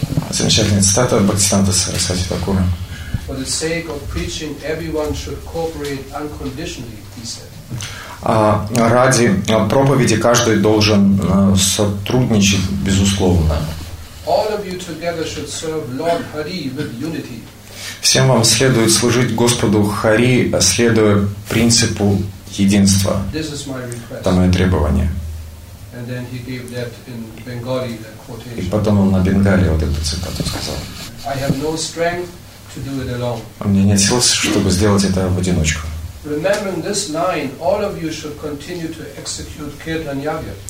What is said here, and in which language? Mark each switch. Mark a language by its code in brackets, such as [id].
[ru] Замечательная цитата Бхактисиддханта Сарасвати Такура. [en] For the sake of preaching, everyone should cooperate unconditionally, he said. [ru] Ради проповеди каждый должен сотрудничать безусловно. [en] All of you together should serve Lord Hari with unity. [ru] Всем вам следует служить Господу Хари, следуя принципу единства. [en] This is my request. [ru] Это мое требование. [en] And then he gave that in Bengali, that quotation. [ru] И потом он на Бенгали вот эту цитату сказал. [en] I have no strength to do it alone. [ru] У меня нет сил, чтобы сделать это в одиночку. [en] Remembering this line, all of you should continue to execute Kirtan Yagya.